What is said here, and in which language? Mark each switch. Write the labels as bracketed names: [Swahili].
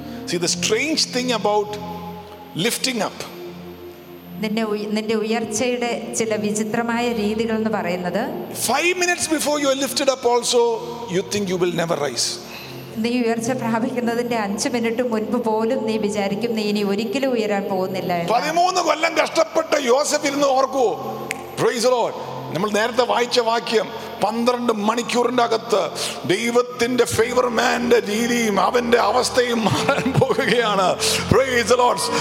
[English] See the strange thing about lifting up. [Malayalam] നിന്റെ ഉയർച്ചയുടെ ചില വിചിത്രമായ രീതികൾ എന്ന് പറയുന്നത്, [English] 5 minutes before you are lifted up also you think you will never rise. [Malayalam] നീ ഉയർച്ച പ്രാപിക്കുന്നതിന്റെ 5 മിനിറ്റ് മുൻപ് പോലും നീ വിചാരിക്കും നീ ഇനി ഒരിക്കലും ഉയരാൻ പോകുന്നില്ല. 13 കൊല്ലം കഷ്ടപ്പെട്ട യോസഫ് ഇരുന്ന് ഓർക്കൂ. [English] Praise Lord. [Malayalam] നമ്മൾ നേരത്തെ വായിച്ച വാക്യം 12 മണിക്കൂറിന്റെ അകത്ത് ദൈവത്തിന്റെ ഫേവർ മാന്റെ രീതിയും അവന്റെ അവസ്ഥയും മാറാൻ പോവുകയാണ്. [English] Praise the Lord.